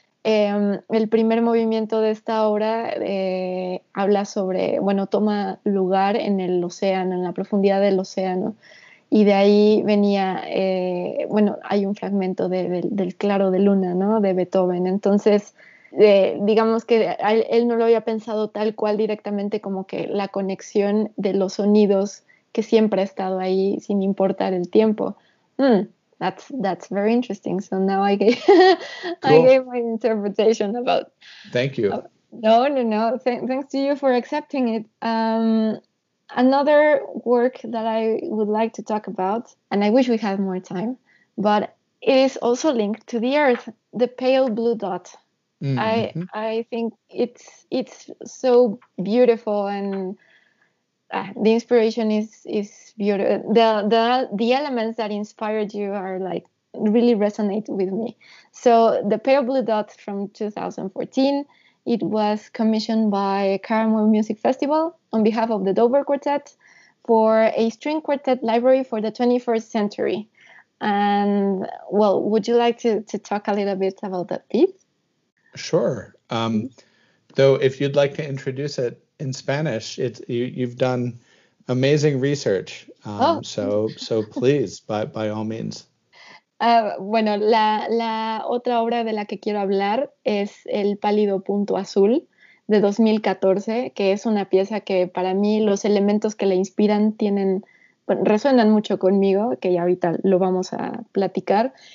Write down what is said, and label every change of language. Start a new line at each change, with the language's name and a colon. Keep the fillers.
Spanish: Eh, el primer movimiento de esta obra eh, habla sobre, bueno, toma lugar en el océano, en la profundidad del océano, y de ahí venía, eh, bueno, hay un fragmento de, de, del claro de luna, ¿no? De Beethoven. Entonces, digamos que él, no lo había pensado tal cual directamente como que la conexión de los sonidos que siempre ha estado ahí sin importar el tiempo. Mm.
English: that's that's very interesting so now i gave cool. i gave my interpretation about thank you uh, no no no Th thanks to you for accepting it um another work that i would like to talk about and i wish we had more time but it is also linked to the earth the pale blue dot mm -hmm. i i think it's it's so beautiful and uh, the inspiration is is your, the, the, the elements that inspired you are like really resonate with me. So, the Pale Blue Dot from 2014, it was commissioned by Carmel Music Festival on behalf of the Dover Quartet for a string quartet library for the 21st century. And well, would you like to, to talk a little bit about that piece? Sure. though, um, so if you'd like to introduce it in Spanish, it's, you, you've done amazing research. Um, oh. so, so, please, by, by all means.
Spanish: Uh, bueno, la, la, otra obra de la que quiero hablar es El pálido punto azul de 2014, que es una pieza que para mí los elementos que la inspiran tienen, bueno, resuenan mucho conmigo, que ya ahorita lo vamos a platicar.